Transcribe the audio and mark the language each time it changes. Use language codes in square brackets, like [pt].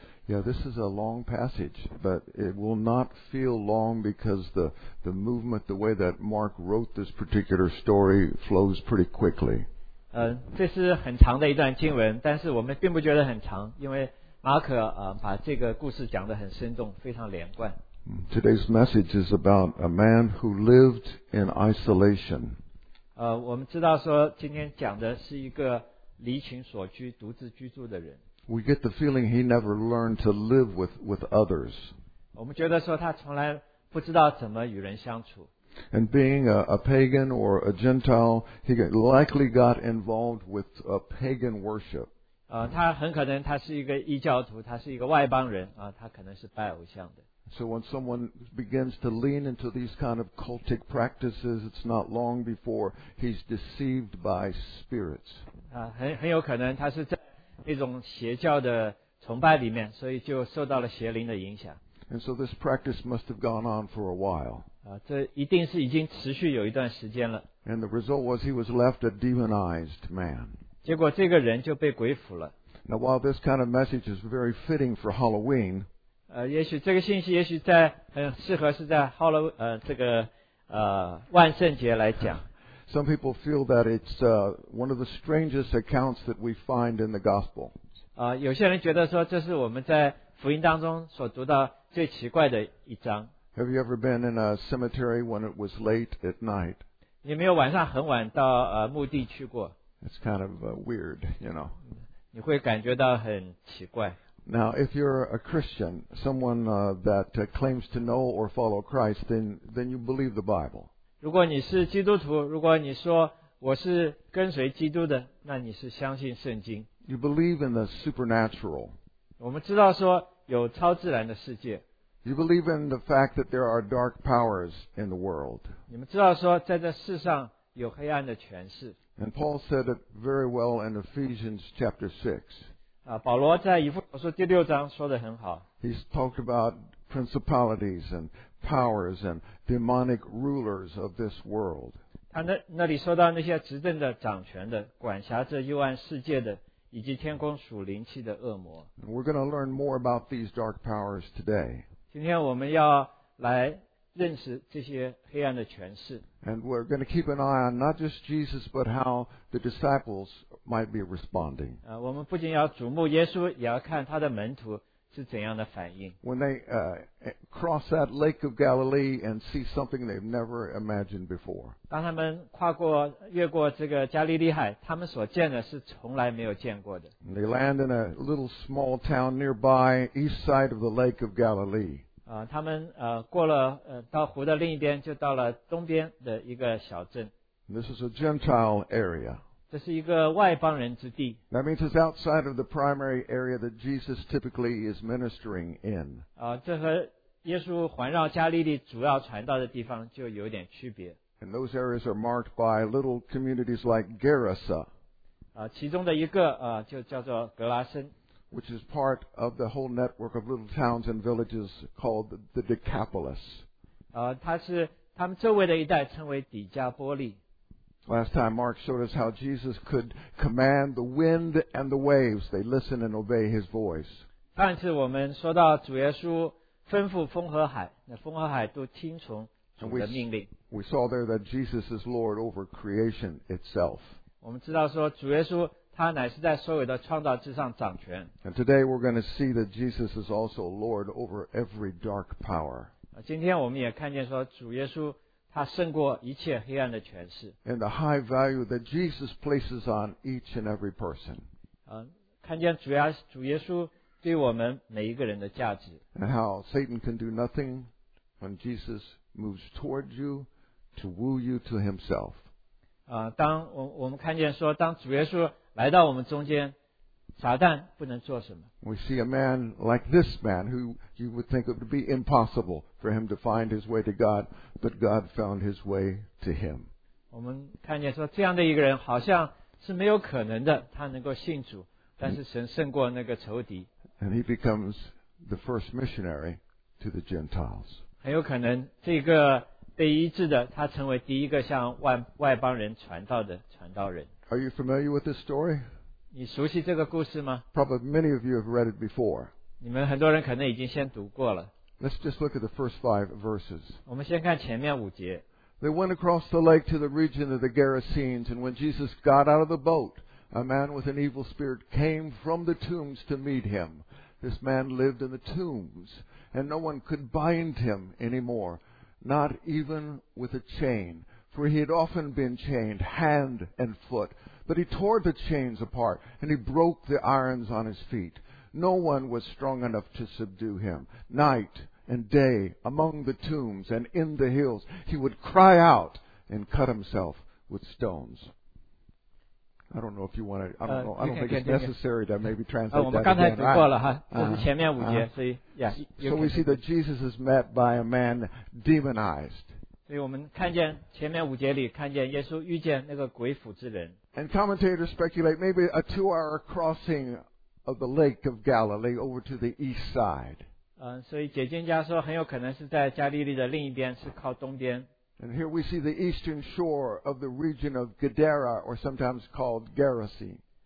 [en] Yeah, this is a long passage, but it will not feel long because the movement, the way that Mark wrote this particular story, flows pretty quickly. [zh] 这是很长的一段经文，但是我们并不觉得很长，因为马可把这个故事讲得很生动，非常连贯。 [en] Today's message is about a man who lived in isolation. [zh] 我们知道说今天讲的是一个离群所居、独自居住的人。 [en] We get the feeling he never learned to live with others. [zh] 我们觉得说他从来不知道怎么与人相处。 [en] And being a pagan or a Gentile, he likely got involved with a pagan worship. [zh] 他很可能他是一个异教徒，他是一个外邦人啊，他可能是拜偶像的。 [en] So when someone begins to lean into these kind of cultic practices, it's not long before he's deceived by spirits. [zh] 很有可能他是在一种邪教的崇拜里面，所以就受到了邪灵的影响。 [en] And so this practice must have gone on for a while. [zh] 这一定是已经持续有一段时间了。 [en] And the result was he was left a demonized man. [zh] 结果这个人就被鬼附了。 [en] Now while this kind of message is very fitting for Halloween, [zh] 也许这个信息也许在很适合是在 Halloween 这个万圣节来讲。 [en] Some people feel that it's one of the strangest accounts that we find in the gospel. [zh] 有些人觉得说这是我们在福音当中所读到最奇怪的一章。 [en] Have you ever been in a cemetery when it was late at night? [zh] 你没有晚上很晚到墓地去过。 [en] It's kind of weird, you know. [zh] 你会感觉到很奇怪。 [en] Now, if you're a Christian, someone that claims to know or follow Christ, then you believe the Bible. [zh] 如果你是基督徒，如果你说我是跟随基督的，那你是相信圣经。 [en] You believe in the supernatural. [zh] 我们知道说有超自然的世界。 [en] You believe in the fact that there are dark powers in the world. [zh] 你们知道说在这世上有黑暗的权势。 [en] And Paul said it very well in Ephesians chapter 6. [zh] 保罗在以弗所书第六章说得很好。 [en] He's talked about principalities and powers and demonic rulers of this world. [zh] 他那里说到那些执政的、掌权的、管辖着幽暗世界的，以及天空属灵气的恶魔。 [en] We're going to learn more about these dark powers today. [zh] 今天我们要来认识这些黑暗的权势。 [en] And we're going to keep an eye on not just Jesus, but how the disciples. Might be responding. [zh] 我们不仅要瞩目耶稣，也要看他的门徒是怎样的反应。 [en] When they cross that lake of Galilee and see something they've never imagined before. [zh] 当他们越过这个加利利海，他们所见的是从来没有见过的。 [en] They land in a little small town nearby, east side of the lake of Galilee. [zh] 他们过了到湖的另一边，就到了东边的一个小镇。 [en] This is a Gentile area. [zh] 这是一个外邦人之地。 [en] That means it's outside of the primary area that Jesus typically is ministering in. [zh] 这和耶稣环绕加利利主要传道的地方就有点区别。 [en] And those areas are marked by little communities like Gerasa. [zh] 其中的一个就叫做格拉森。 [en] Which is part of the whole network of little towns and villages called the Decapolis. [zh] 它是他们周围的一带称为底加波利。 [en] Last time Mark showed us how Jesus could command the wind and the waves. They listen and obey his voice. [zh] 上次我们说到主耶稣吩咐风和海，那风和海都听从主的命令。 [en] We saw there that Jesus is Lord over creation itself. [zh] 我们知道说主耶稣他乃是在所有的创造之上掌权。 [en] And today we're going to see that Jesus is also Lord over every dark power. [zh] 今天我们也看见说主耶稣他胜过一切黑暗的权势。 [en] And the high value that Jesus places on each and every person. [zh] 看见主耶稣对我们每一个人的价值。 [en] And how Satan can do nothing when Jesus moves toward you to woo you to himself. [zh] 当我们看见说当主耶稣来到我们中间，撒旦不能做什么。 [en] We see a man like this man who you would think it would be impossible for him to find his way to God, but God found his way to him. [zh] 我们看见说这样的一个人好像是没有可能的，他能够信主，但是神胜过那个仇敌。 [en] And he becomes the first missionary to the Gentiles. [zh] 很有可能这个被医治的，他成为第一个向外邦人传道的传道人。 [en] Are you familiar with this story? [zh] 你熟悉这个故事吗？ [en] Probably many of you have read it before. [zh] 你们很多人可能已经先读过了。 [en] Let's just look at the first five verses. [zh] 我们先看前面五节。 [en] They went across the lake to the region of the Gerasenes, and when Jesus got out of the boat, a man with an evil spirit came from the tombs to meet him. This man lived in the tombs, and no one could bind him anymore, not even with a chain, for he had often been chained hand and foot. But he tore the chains apart, and he broke the irons on his feet. No one was strong enough to subdue him. Night and day, among the tombs and in the hills, he would cry out and cut himself with stones. I don't know if you want to. I don't know. I don't think it's necessary to maybe translate that. [zh] 我们刚才读过了哈，这是前面五节，所以 [en] So we see that Jesus is met by a man demonized. [zh] 所以我们看见前面五节里看见耶稣遇见那个鬼附之人。 [en] And commentators speculate maybe a two-hour crossing of the Lake of Galilee over to the east side. [zh] 所以解经家说很有可能是在加利利的另一边，是靠东边。 [en] And here we see the eastern shore of the region of Gadara, or sometimes called Gerasene.